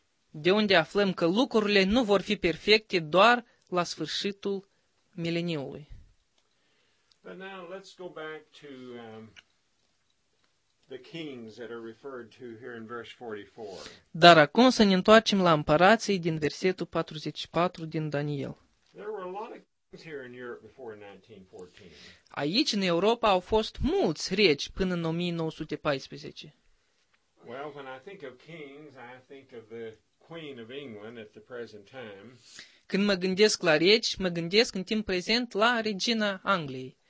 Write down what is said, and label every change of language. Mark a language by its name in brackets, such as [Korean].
[Romanian] De unde aflăm că lucrurile nu vor fi perfecte doar la sfârșitul mileniului. [English] But now let's go back to the kings that are referred to here in verse 44. [Romanian] Dar acum să ne întoarcem la împărații din versetul 44 din Daniel. [English] There were a lot of kings here in Europe before 1914. [Romanian] Aici în Europa au fost mulți regi până în 1914. [English] Well, when I think of kings, I think of the Queen of England at the present time. [Romanian] Când mă gândesc la regi, mă gândesc în timp prezent la regina Angliei.